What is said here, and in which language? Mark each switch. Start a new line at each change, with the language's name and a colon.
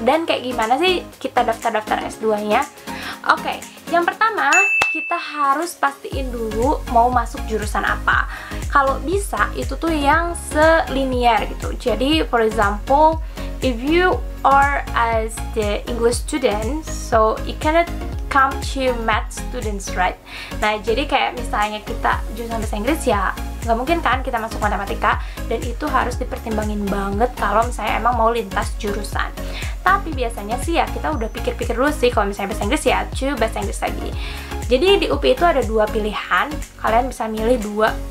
Indonesian: Dan kayak gimana sih kita daftar-daftar S2-nya? Oke, yang pertama kita harus pastiin dulu mau masuk jurusan apa. Kalau bisa itu tuh yang selinear gitu.
English: Jadi for example, if you are as the English student, so you cannot come to math students, right?
Indonesian: Nah, jadi kayak misalnya kita jurusan bahasa Inggris, ya nggak mungkin kan kita masuk matematika, dan itu harus dipertimbangin banget kalau misalnya emang mau lintas jurusan. Tapi biasanya sih ya kita udah pikir-pikir dulu sih kalau misalnya bahasa Inggris, ya to bahasa Inggris lagi. Jadi di UPI itu ada dua pilihan, kalian bisa milih dua.